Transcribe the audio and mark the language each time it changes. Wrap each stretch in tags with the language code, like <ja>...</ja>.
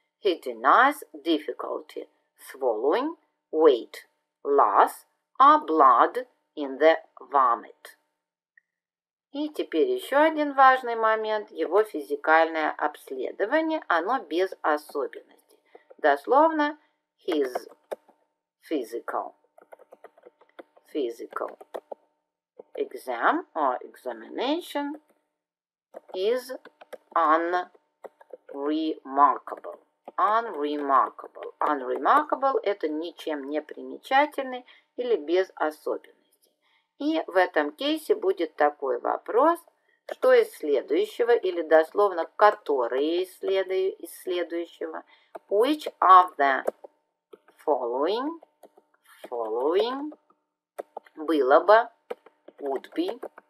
<en>He denies difficulty swallowing, weight loss, or blood in the vomit.</en> <ru>И теперь еще один важный момент. Его физикальное обследование, оно без особенностей. Дословно,</ru> <en>his physical exam or examination is unremarkable. Unremarkable.</en> <ru>Unremarkable – это ничем не примечательный или без особенностей. И в этом кейсе будет такой вопрос, что из следующего или дословно «которые из следующего»</ru> <en>Which of the following</en> <ru>было бы,</ru> <en>would be,</en>